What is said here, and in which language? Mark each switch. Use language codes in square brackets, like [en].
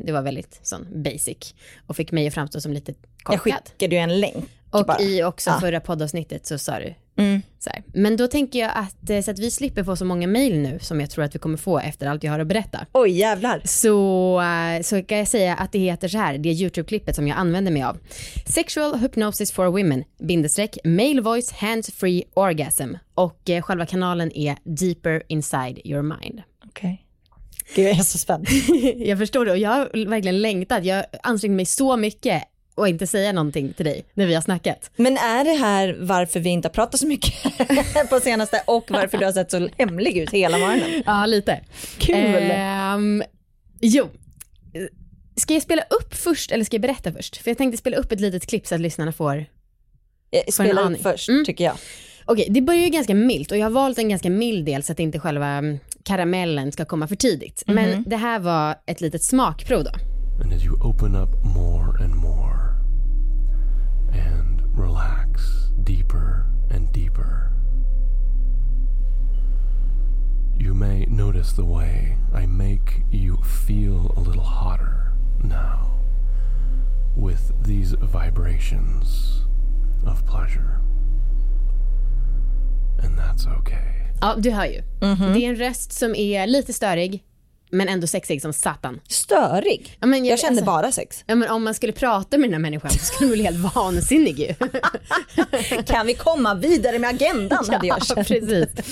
[sv] Det var väldigt sån basic. Och fick mig att framstå som lite korkad. Jag skickade ju en länk. Och bara. I också förra poddavsnittet så sa du. Mm. Men då tänker jag att så att vi slipper få så många mejl nu som jag tror att vi kommer få efter allt jag har att berätta. Oj jävlar. Så kan jag säga att det heter så här, det YouTube-klippet som jag använder mig av. [en] Sexual hypnosis for women - male voice hands free orgasm. [sv] Och själva kanalen är deeper inside your mind. Okej. Okay. Gud, jag är så spänd. Jag förstår det och jag har verkligen längtat. Jag ansträngde mig så mycket och inte säga någonting till dig när vi har snackat. Men är det här varför vi inte har pratat så mycket på senaste och varför du har sett så hemlig ut hela morgonen? Ja, lite. Kul. Jo. Ska jag spela upp först eller ska jag berätta först? För jag tänkte spela upp ett litet klipp så att lyssnarna får spela upp först, tycker jag. Okej, det börjar ju ganska milt och jag har valt en ganska mild del så att inte själva karamellen ska komma för tidigt. Mm-hmm. Men det här var ett litet smakprov då. [en] And as you open up more and more and relax deeper and deeper, you may notice the way I make you feel a little hotter now with these vibrations of pleasure. And that's okay. [sv] Ja, du hör ju. Det är en röst som är lite störig. Men ändå sexig som satan. Störig? Ja, men jag kände alltså, bara sex. Ja, men om man skulle prata med den här människan så skulle man bli helt vansinnig ju. Kan vi komma vidare med agendan? Ja, precis.